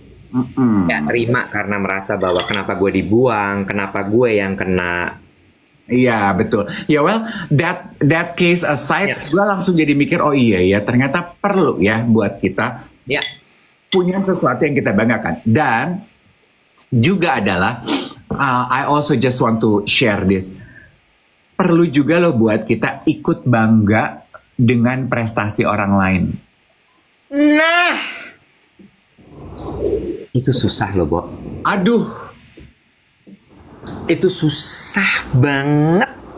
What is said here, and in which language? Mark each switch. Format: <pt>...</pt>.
<id>Mm-mm. Ya terima karena merasa bahwa kenapa gue dibuang, kenapa gue yang kena. Iya betul. Ya</id> <en>yeah, well, that case aside, yeah,</en> <id>gue langsung jadi mikir, oh iya ya, ternyata perlu ya buat kita</id> <en>yeah,</en> <id>punya sesuatu yang kita banggakan. Dan juga adalah,</id> <en>I also just want to share this.</en> <id>Perlu juga loh buat kita ikut bangga dengan prestasi orang lain. Nah, itu susah loh, Bo. Aduh. Itu susah banget.</id>